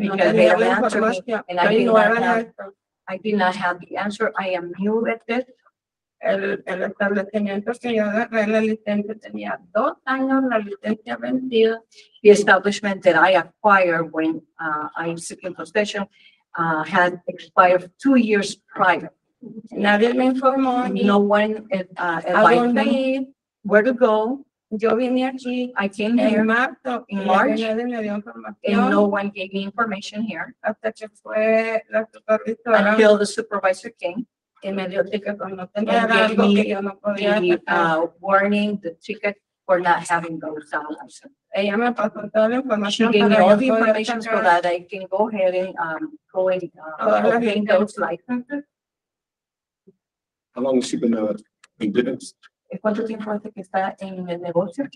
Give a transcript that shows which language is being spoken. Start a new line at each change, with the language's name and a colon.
English: Because they don't answer me, and I did not have the answer. I am new at this.
Spanish: El establecimiento que yo agarré la licencia tenía dos años, la licencia vendida.
English: The establishment that I acquired when I took possession had expired 2 years prior.
Spanish: Nadie me informó.
English: No one advised me where to go.
Spanish: Yo vine aquí.
English: I came here.
Spanish: En marzo.
English: In March.
Spanish: Nadie me dio información.
English: And no one gave me information here.
Spanish: Hasta que fue la supervisora.
English: Until the supervisor came.
Spanish: Y me dio ticket.
English: And gave me the warning, the ticket for not having those licenses.
Spanish: Ella me pasó toda la información.
English: She gave me all the information so that I can go ahead and go and obtain those licenses. How long has she been in business?
Spanish: ¿Cuánto tiempo hace que está en el negocio?